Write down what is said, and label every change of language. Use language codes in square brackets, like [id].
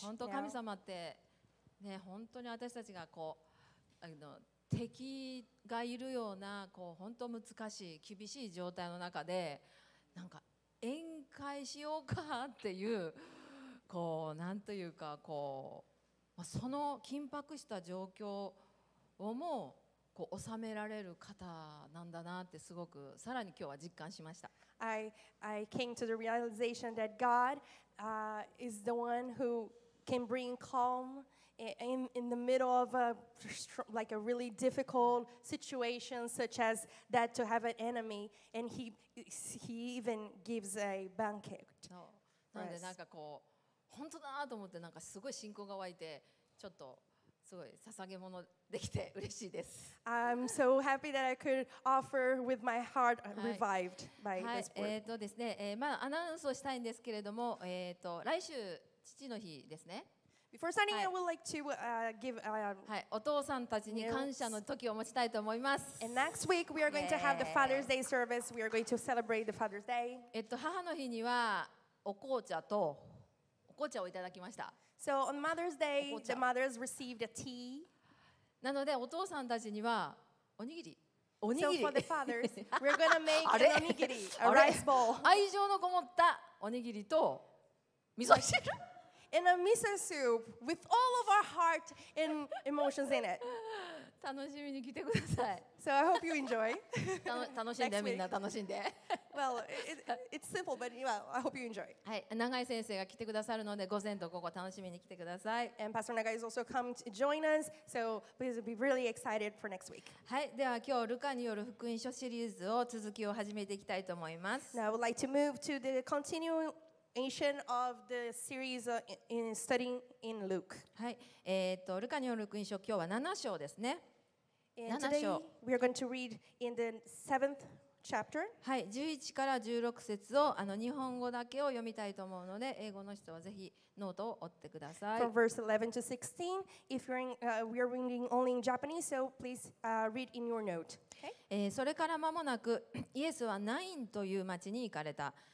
[ja] 本当神様って、ね、本当に私たちがこう敵がいるようなこう本当難しい厳しい状態の中でなんか宴会しようかっていうこうなんというかこうその緊迫した状況をもこう収められる方なんだなってすごくさらに今日は実感しました。 [en] I came to the realization that God is the one who can bring calm in the middle of a like a really difficult situation such as that to have an enemy and he even gives a banquet. [ja] なんでなんかこう本当だなと思ってなんかすごい信仰が湧いてちょっとすごい捧げ物できて嬉しいです。 [en] I'm so happy that I could offer with my heart revived by this word. [ja] はい、ですね、まあアナウンスをしたいんですけれども、来週父の日ですね。 [en] Before starting, I would like to give [ja] はい、お父さんたちに感謝の時を持ちたいと思います。 [en] And next week we are going to have the Father's Day service. We are going to celebrate the Father's Day. [ja] 母の日にはお紅茶とお紅茶をいただきました。 [en] So on Mother's Day, the mothers received a tea. [ja] なのでお父さんたちにはおにぎり、おにぎり。 [en] So for the fathers, we're gonna make an onigiri, a rice ball. [ja] 愛情のこもったおにぎりと味噌汁。 [en] And a miso soup with all of our heart and emotions in it. [ja] 楽しみに来てください。 [en] So I hope you enjoy. [ja] 楽しんでみんな楽しんで。 [en] Well, it's simple, but well, I hope you enjoy. [ja] はい、永井先生が来てくださるので午前と午後楽しみに来てください。 [en] And Pastor Nagai is also come to join us, so please be really excited for next week. [ja] はい、では今日ルカによる福音書シリーズを続きを始めていきたいと思います。 [en] Now I would like to move to the continuing. Ancient of the series in studying in Luke. [ja] はい、ルカによる福音書今日は7章ですね。 7章。 [en] Today we are going to read in the seventh chapter. [ja] はい、11から16節を日本語だけを読みたいと思うので、英語の人はぜひノートを追ってください。 [en] From verse 11 to 16, if you're in, we are reading only in Japanese, so please read in your note. Okay. [ja] それから間もなくイエスはナインという町に行かれた。